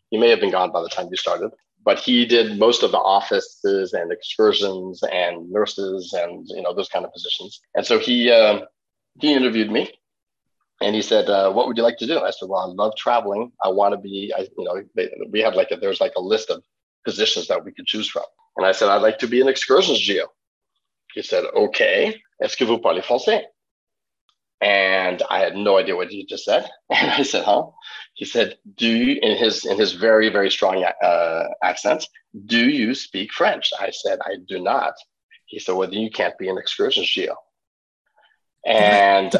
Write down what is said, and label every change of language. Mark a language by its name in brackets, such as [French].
[English] He may have been gone by the time you started, but he did most of the offices and excursions and nurses and, you know, those kind of positions. And so he interviewed me and he said, what would you like to do? I said, well, I love traveling. I want to be, we had there's a list of positions that we could choose from. And I said, I'd like to be an excursions geo. He said, okay, [French] est-ce que vous parlez français? [English] And I had no idea what he just said. And I said, huh? He said, in his very, very strong accent, do you speak French? I said, I do not. He said, well, then you can't be an excursion geo. And